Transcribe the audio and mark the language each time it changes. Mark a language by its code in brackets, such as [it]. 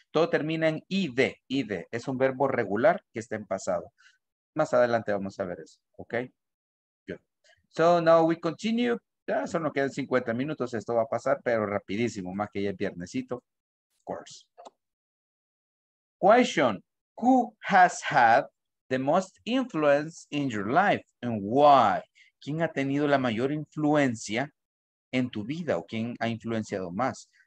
[es] Todo termina en ID, ID. Es un verbo regular que está en pasado. Más adelante vamos a ver eso, ¿ok? [en] Good. So now we continue. [es] Ya solo nos quedan 50 minutos. Esto va a pasar, pero rapidísimo, más que ya es viernesito. [en] Of course. Question. Who has had the most influence in your life and why? [es] ¿Quién ha tenido la mayor influencia en tu vida o quién ha influenciado más?